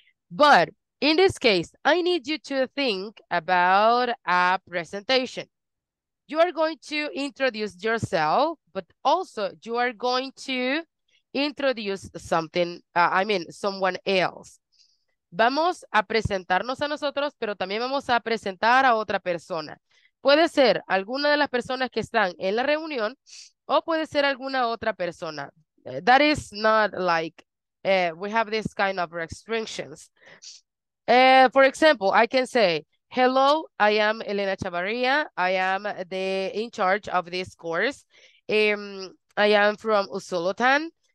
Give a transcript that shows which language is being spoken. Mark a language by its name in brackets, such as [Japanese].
[English] But in this case, I need you to think about a presentation. You are going to introduce yourself, but also you are going to introduce something, someone else. [Spanish] Vamos a presentarnos a nosotros, pero también vamos a presentar a otra persona. Puede ser alguna de las personas que están en la reunión, o puede ser alguna otra persona. [English] That is not like, we have this kind of restrictions. For example, I can say, hello, I am Elena Chavarria. I am the in charge of this course. I am from Usulutan.